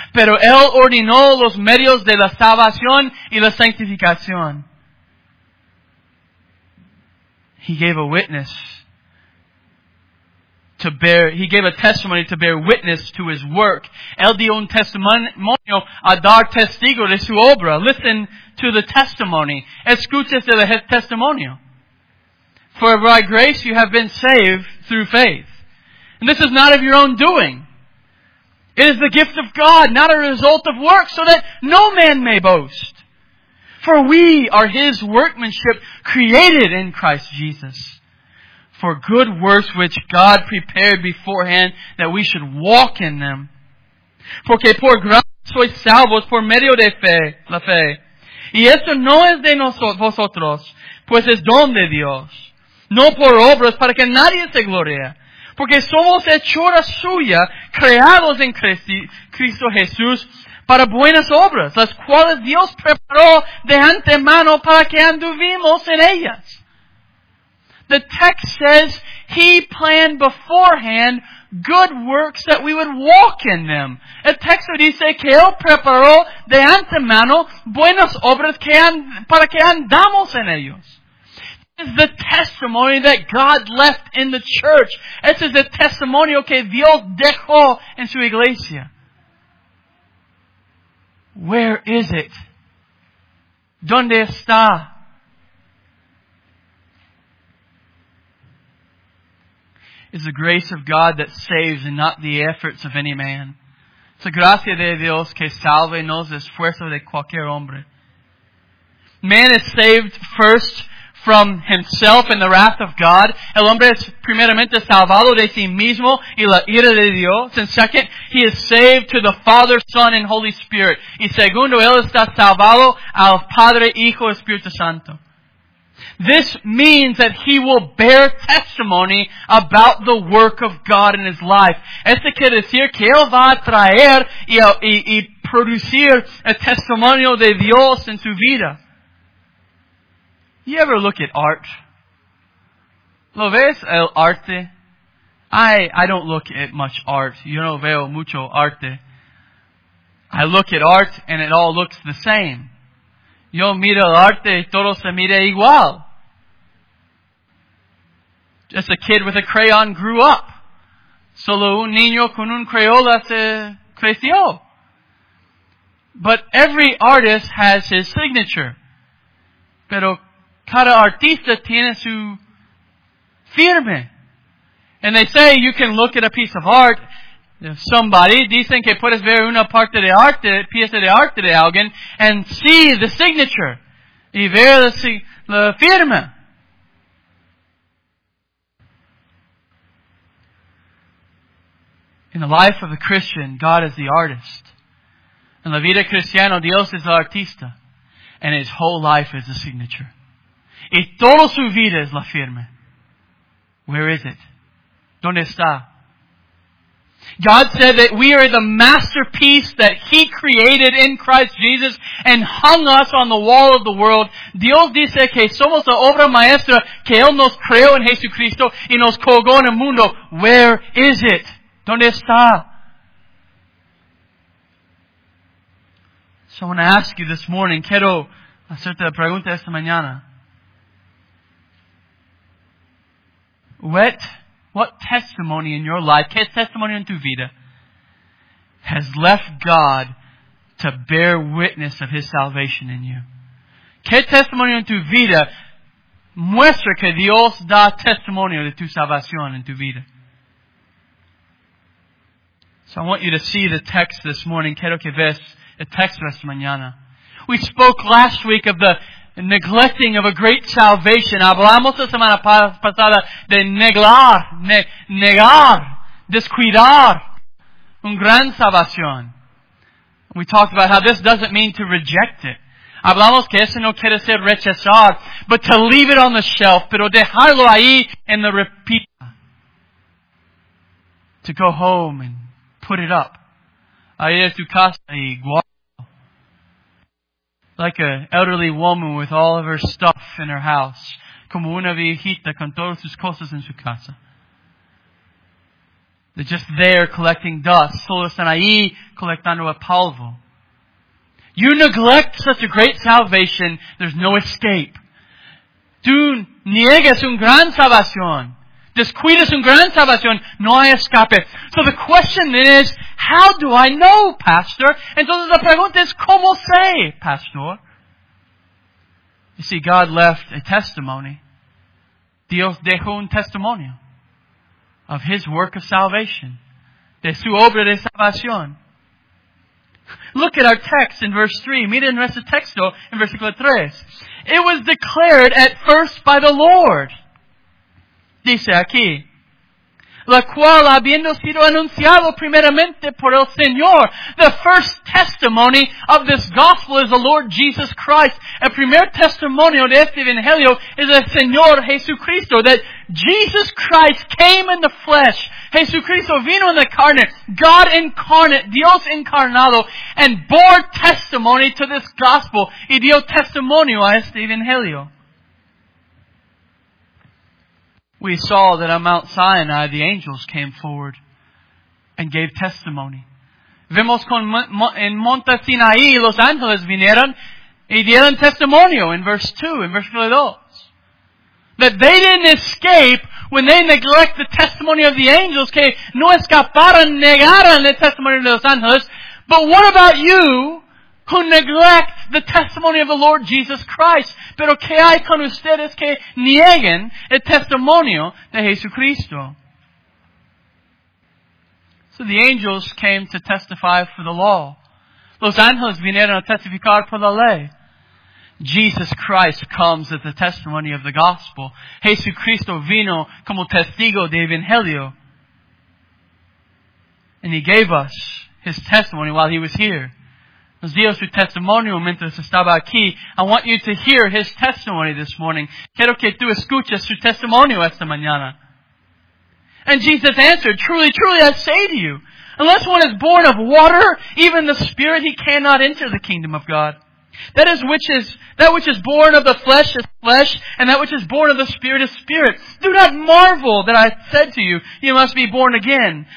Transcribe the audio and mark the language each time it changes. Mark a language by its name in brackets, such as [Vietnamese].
[Spanish] Pero Él ordenó los medios de la salvación y la santificación. [English] He gave a witness to bear, he gave a testimony to bear witness to his work. [Spanish] Él dio un testimonio a dar testigo de su obra. [English] Listen to the testimony. [Spanish] Escuches el testimonio. [English] For by grace you have been saved through faith. And this is not of your own doing. It is the gift of God, not a result of works, so that no man may boast. For we are his workmanship, created in Christ Jesus, for good works which God prepared beforehand that we should walk in them. [Spanish] Porque por gracia sois salvos por medio de fe, la fe. Y esto no es de vosotros, pues es don de Dios. No por obras, para que nadie se gloríe. Porque somos hechura suya, creados en Cristo Jesús, para buenas obras, las cuales Dios preparó de antemano para que anduvimos en ellas. [English] The text says he planned beforehand good works that we would walk in them. [Spanish] El texto dice que él preparó de antemano buenas obras para que andamos en ellos. [English] This is the testimony that God left in the church. [Spanish] Este es el testimonio que Dios dejó en su iglesia. [English] Where is it? [Spanish] ¿Dónde está? [English] It's the grace of God that saves and not the efforts of any man. It's the [Spanish] gracia de Dios que salve, no es esfuerzo de cualquier hombre. [English] Man is saved first from himself and the wrath of God. [Spanish] El hombre es primeramente salvado de sí mismo y la ira de Dios. [English] And second, he is saved to the Father, Son, and Holy Spirit. [Spanish] Y segundo, él está salvado al Padre, Hijo, Espíritu Santo. [English] This means that he will bear testimony about the work of God in his life. [Spanish] Este quiere decir que él va a traer y producir el testimonio de Dios en su vida. [English] You ever look at art? [Spanish] ¿Lo ves el arte? [English] I don't look at much art. [Spanish] Yo no veo mucho arte. [English] I look at art and it all looks the same. [Spanish] Yo miro el arte y todo se mira igual. [English] Just a kid with a crayon grew up. [Spanish] Solo un niño con un crayola se creció. [English] But every artist has his signature. [Spanish] Pero cada artista tiene su firme. [English] And they say you can look at a piece of art. Somebody, [Spanish] dicen que puedes ver una parte de arte, pieza de arte de alguien, [English] and see the signature. [Spanish] Y ver la firma. [English] In the life of the Christian, God is the artist. [Spanish] En la vida cristiana, Dios es el artista. [English] And his whole life is the signature. [Spanish] Y toda su vida es la firma. [English] Where is it? [Spanish] ¿Dónde está? [English] God said that we are the masterpiece that he created in Christ Jesus and hung us on the wall of the world. [Spanish] Dios dice que somos la obra maestra que él nos creó en Jesucristo y nos colgó en el mundo. [English] Where is it? [Spanish] ¿Dónde está? [English] So I want to ask you this morning, [Spanish] quiero hacerte la pregunta esta mañana. [English] What testimony in your life, [Spanish] qué testimonio en tu vida, [English] has left God to bear witness of his salvation in you? [Spanish] Qué testimonio en tu vida muestra que Dios da testimonio de tu salvación en tu vida? [English] So I want you to see the text this morning. [Spanish] Quiero que veas el texto esta mañana. [English] We spoke last week of the neglecting of a great salvation. [Spanish] Hablamos la semana pasada de negar, descuidar un gran salvación. [English] We talked about how this doesn't mean to reject it. [Spanish] Hablamos que eso no quiere decir rechazar, [English] but to leave it on the shelf, [Spanish] pero dejarlo ahí en la repisa. [English] To go home and put it up. [Spanish] Ahí es tu casa y guarda. [English] Like an elderly woman with all of her stuff in her house. [Spanish] Como una viejita con todas sus cosas en su casa. [English] They're just there collecting dust. [Spanish] Solo están ahí colectando el polvo. [English] You neglect such a great salvation, there's no escape. [Spanish] Tú niegas un gran salvación. descuides un gran salvación, no hay escape. [English] So the question is, how do I know, Pastor? [Spanish] Entonces la pregunta es, ¿cómo sé, Pastor? [English] You see, God left a testimony. [Spanish] Dios dejó un testimonio [English] of His work of salvation, [Spanish] de su obra de salvación. [English] Look at our text in verse 3. [Spanish] Mira nuestro texto en versículo 3. [English] It was declared at first by the Lord. [Spanish] Dice aquí, la cual habiendo sido anunciado primeramente por el Señor. [English] The first testimony of this gospel is the Lord Jesus Christ. [Spanish] El primer testimonio de este evangelio es el Señor Jesucristo. [English] That Jesus Christ came in the flesh. [Spanish] Jesucristo vino en la carne. [English] God incarnate, [Spanish] Dios encarnado, [English] and bore testimony to this gospel. [Spanish] Y dio testimonio a este evangelio. [English] We saw that on Mount Sinai, the angels came forward and gave testimony. [Spanish] Vemos en Monte Sinai, los ángeles vinieron y dieron testimonio [English] in verse 2, in verse 2. That they didn't escape when they neglect the testimony of the angels, [Spanish] que no escaparon, negaron el testimonio de los ángeles. [English] But what about you who neglect the testimony of the Lord Jesus Christ? [Spanish] Pero que hay con ustedes que niegan el testimonio de Jesucristo. [English] So the angels came to testify for the law. [Spanish] Los ángeles vinieron a testificar por la ley. [English] Jesus Christ comes as the testimony of the gospel. [Spanish] Jesucristo vino como testigo de evangelio. [English] And He gave us His testimony while He was here. [Spanish] Nos dio su testimonio mientras estaba aquí. [English] I want you to hear His testimony this morning. [Spanish] Quiero que tú escuches su testimonio esta mañana. [English] And Jesus answered, truly, truly, I say to you, unless one is born of water, even the Spirit, he cannot enter the kingdom of God. That which is born of the flesh is flesh, and that which is born of the Spirit is spirit. Do not marvel that I said to you, you must be born again.